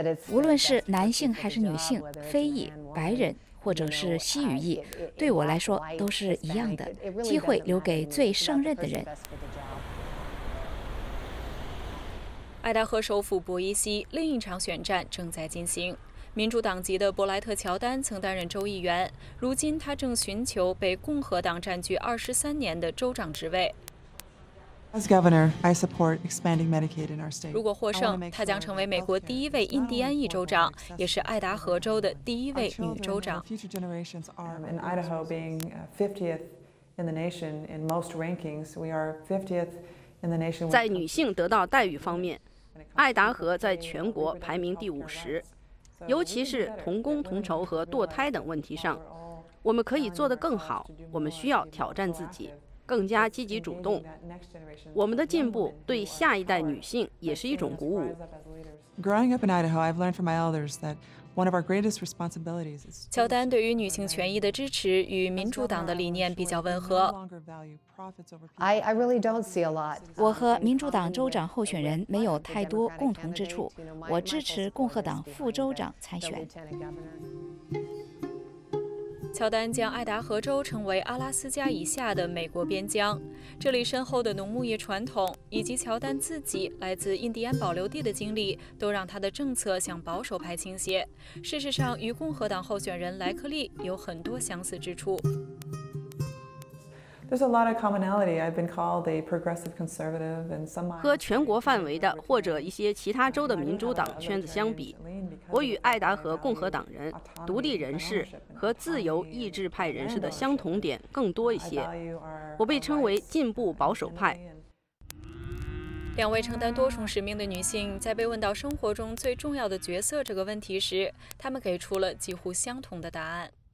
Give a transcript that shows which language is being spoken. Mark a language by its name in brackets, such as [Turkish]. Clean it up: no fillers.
[Chinese] 无论是男性还是女性，非裔、白人或者是西语裔，对我来说都是一样的，机会留给最胜任的人。爱达荷首府博伊西另一场选战正在进行。民主党籍的伯莱特·乔丹曾担任州议员，如今他正寻求被共和党占据23年的州长职位。 [English] As governor, I support expanding Medicaid in our state. [Chinese] 如果获胜，他将成为美国第一位印第安裔州长，也是爱达荷州的第一位女州长。 [English] Future generations are in Idaho being 50th in the nation in most rankings. We are 50th. [Chinese] 在女性得到待遇方面，爱达荷在全国排名第50，尤其是同工同酬和堕胎等问题上，我们可以做得更好。我们需要挑战自己，更加积极主动。我们的进步对下一代女性也是一种鼓舞。 [English] Growing up in Idaho, I've learned from my elders that one of our greatest responsibilities is. [Chinese] 乔丹对于女性权益的支持与民主党的理念比较吻合。 [English] I really don't see a lot. [Chinese] 我和民主党州长候选人没有太多共同之处。我支持共和党副州长参选。乔丹将爱达荷州称为阿拉斯加以下的美国边疆，这里深厚的农牧业传统以及乔丹自己来自印第安保留地的经历，都让他的政策向保守派倾斜。事实上，与共和党候选人莱克利有很多相似之处。 [English] There's a lot of commonality. I've been called a progressive conservative, and some. [Chinese] 和全国范围的或者一些其他州的民主党圈子相比，我与爱达荷共和党人、独立人士和自由意志派人士的相同点更多一些。我被称为进步保守派。两位承担多重使命的女性在被问到生活中最重要的角色这个问题时，她们给出了几乎相同的答案。